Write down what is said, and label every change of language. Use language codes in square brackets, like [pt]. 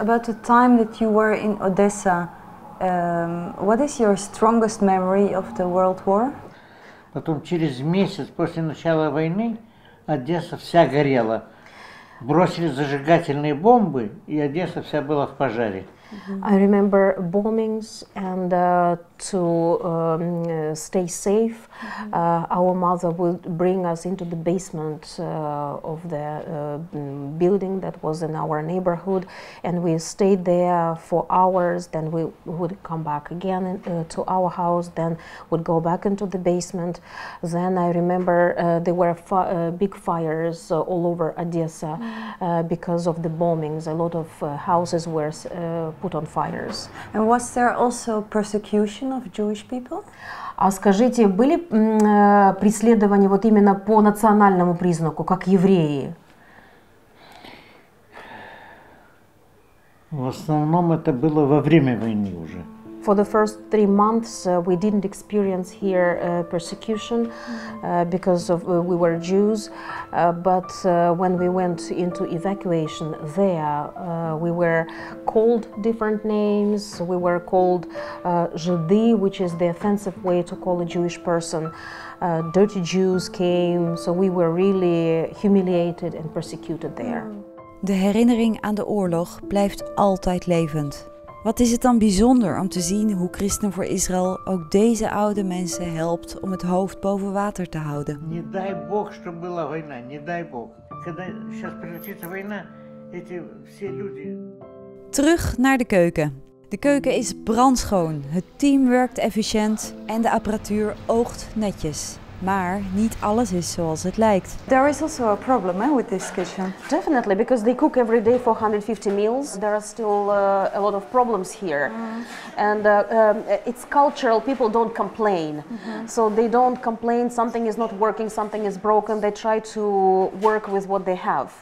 [en] About the time that you were in Odessa, what is your strongest memory of the World War? [ru] Потом через месяц после начала войны Одесса вся горела. Бросили зажигательные бомбы, и Одесса вся была в пожаре. [en] Mm-hmm. I remember bombings, and to stay safe, our mother would bring us into the basement of the building that was in our neighborhood, and we stayed there for hours. Then we would come back again to our house, then would go back into the basement. Then I remember there were big fires all over Odessa because of the bombings. A lot of houses were put on fires. And was there also persecution of Jewish people? [ru] А скажите, были преследования вот именно по национальному признаку, как евреи? В основном это было во время войны уже. [en] For the first 3 months, we didn't experience here persecution because of we were Jews. But when we went into evacuation there, we were called different names. We were called Жиды, which is the offensive way to call a Jewish person. Dirty Jews came, so we were really humiliated and persecuted there. [nl] De herinnering aan de oorlog blijft altijd levend. Wat is het dan bijzonder om te zien hoe Christen voor Israël ook deze oude mensen helpt om het hoofd boven water te houden. [ru] Не дай Бог, что была война, не дай Бог. Когда сейчас прилетит война, эти все люди... [nl] Terug naar de keuken. De keuken is brandschoon, het team werkt efficiënt en de apparatuur oogt netjes. Maar niet alles is zoals het lijkt. [en] There is also a problem with this kitchen. Definitely, because they cook every day 450 meals. There are still a lot of problems here. Mm. And it's cultural, people don't complain. Mm-hmm. So they don't complain, something is not working, something is broken. They try to work with what they have.